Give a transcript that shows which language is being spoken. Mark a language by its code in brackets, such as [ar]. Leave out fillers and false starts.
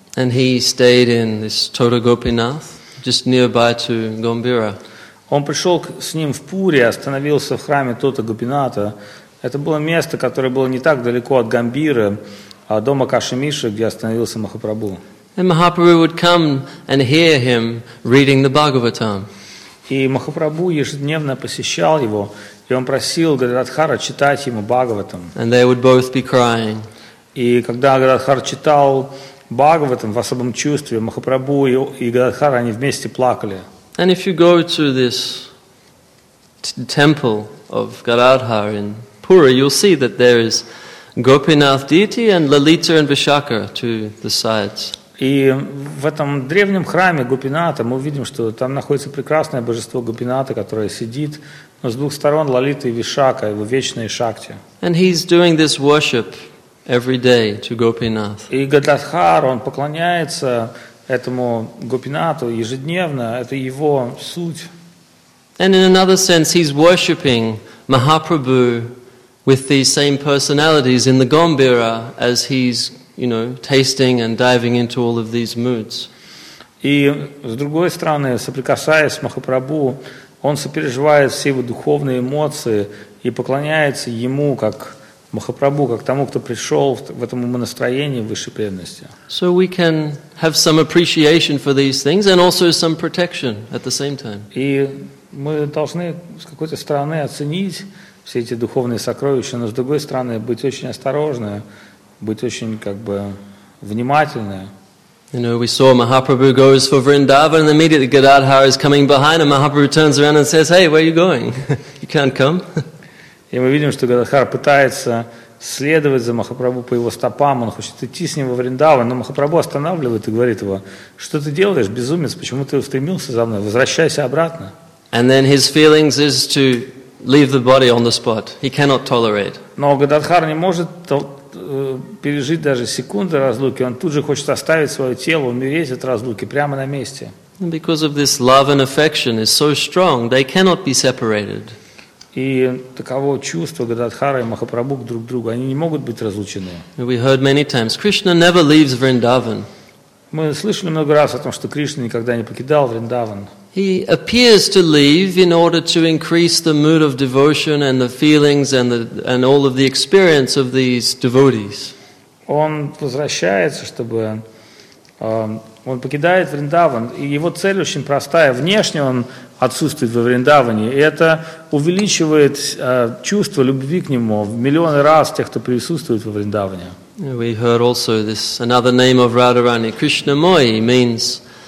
[en] And he stayed in this Todagopinath, just nearby to Gombira. [ru] Он пришел с ним в Пури, остановился в храме Тотагопината. Это было место, которое было не так далеко от Гамбиры, а дома Кашимиши, где остановился Махапрабху. [en] And Mahaprabhu would come and hear him reading the Bhagavatam. [ru] И Махапрабху ежедневно посещал его, и он просил Гададхара читать ему Бхагаватам. [en] And they would both be crying. [ru] И когда Гададхар читал Бхагаватам в особом чувстве, Махапрабху и Гададхара, они вместе плакали. [en] And if you go to this temple of Gadadhar in Puri, you'll see that there is Gopinath deity and Lalita and Vishakha to the sides. [ru] И в этом древнем храме Гопинатха мы увидим, что там находится прекрасное божество Гопинатха, которое сидит, но с двух сторон Лалита и Вишака, его вечные шакти. [en] And he's doing this worship every day to Gopinath. [ru] И Гададхар, он поклоняется этому Гопинатху ежедневно, это его суть. [en] And in another sense, he's worshipping Mahaprabhu with these same personalities in the Gombira as he's, you know, tasting and diving into all of these moods. [ru] И с другой стороны, соприкасаясь с Махапрабху, он сопереживает все его духовные эмоции и поклоняется ему как Махапрабху, как тому, кто пришел в этом умонастроении высшей преданности. [en] So we can have some appreciation for these things and also some protection at the same time. [ru] И мы должны с какой-то стороны оценить все эти духовные сокровища, но с другой стороны быть очень осторожны, быть очень как бы внимательны. [en] You know, we saw Mahaprabhu goes for Vrindavan and immediately Gadadhar is coming behind him. Mahaprabhu turns around and says, hey, where are you going? You can't come. [ru] И мы видим, что Гададхар пытается следовать за Махапрабху по его стопам, он хочет идти с ним во Вриндаван, но Махапрабху останавливает и говорит его, что ты делаешь, безумец, почему ты устремился за мной, возвращайся обратно. [en] And then his feelings is to leave the body on the spot. He cannot tolerate. [ru] Но Гададхар не может пережить даже секунды разлуки, он тут же хочет оставить свое тело, умереть от разлуки прямо на месте. [en] And because of this love and affection is so strong, they cannot be separated. [ru] И таково чувство Гададхара и Махапрабху друг к другу. Они не могут быть разлучены. [en] We heard many times, Krishna never leaves Vrindavan. [ru] Мы слышали много раз о том, что Кришна никогда не покидал Вриндаван. [en] He appears to leave in order to increase the mood of devotion and the feelings and all of the experience of these devotees. [ru] Он возвращается, чтобы он покидает Вриндаван, и его цель очень простая. Внешне он отсутствует во Вриндаване, и это увеличивает чувство любви к нему в миллионы раз тех, кто присутствует во Вриндаване. [en] We heard also this another name of Radharani, Krishnamoyi, means